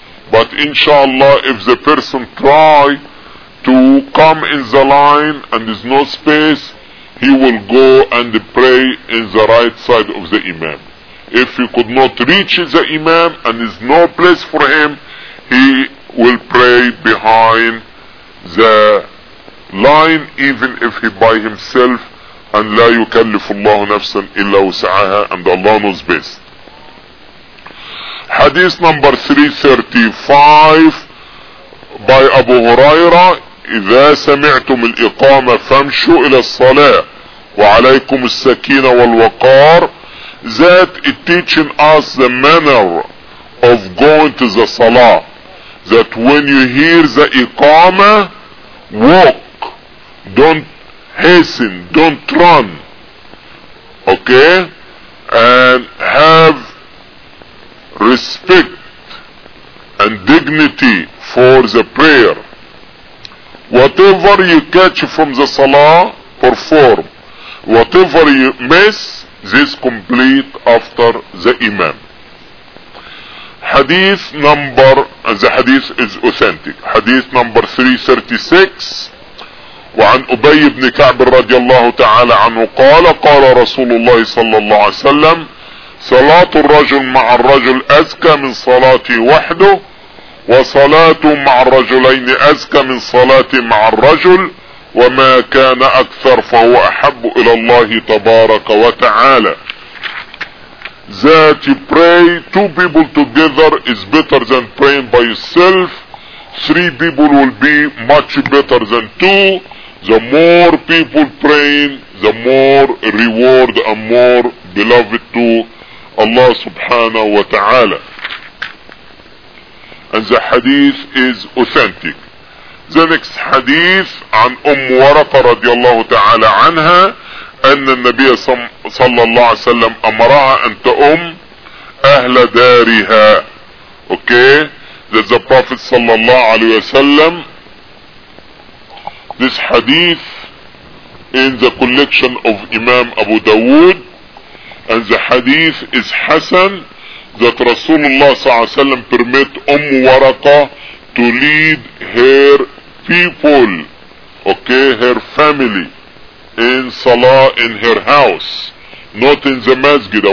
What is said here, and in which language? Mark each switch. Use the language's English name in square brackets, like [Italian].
[English] But inshallah, if the person try to come in the line and there's no space, he will go and pray in the right side of the imam. If he could not reach the imam and there's no place for him, he will pray behind the line, even if he by himself, [Arabic] أن لا يكلف الله نفسا إلا وسعها, [English] and Allah knows best. [Arabic] حديث نمبر 335 by أبو هريرة, إذا سمعتم الإقامة فامشوا إلى الصلاة وعليكم السكينة والوقار. [English] That it teaching us the manner of going to the Salah, that when you hear the Iqama, walk, don't hasten, don't run, okay, and have respect and dignity for the prayer. Whatever you catch from the Salah, perform. Whatever you miss, this complete after the Imam. Hadith number, the hadith is authentic. Hadith number 336. [Arabic] وعن أبي بن كعب رضي الله تعالى عنه قال قال رسول الله صلى الله عليه وسلم صلاة الرجل مع الرجل أزكى من صلاتي وحده, وصلاة مع الرجلين أزكى من صلاتي مع الرجل, وما كان أكثر فهو أحب إلى الله تبارك وتعالى. [English] That you pray two people together is better than praying by yourself. Three people will be much better than two. The more people praying, the more reward and more beloved to Allah subhanahu wa ta'ala. And the hadith is authentic. The next hadith, [Arabic] عن أم ورقة رضي الله تعالى عنها, أن النبي صلى الله عليه وسلم أمرها أن تؤم أهل دارها. [English] Okay, that the Prophet صلى الله عليه وسلم, this hadith in the collection of Imam Abu Dawood, and the hadith is Hassan, that Rasulullah صلى الله عليه وسلم permit أم ورقة to lead her people, okay, her family, in Salah in her house, not in the masjid.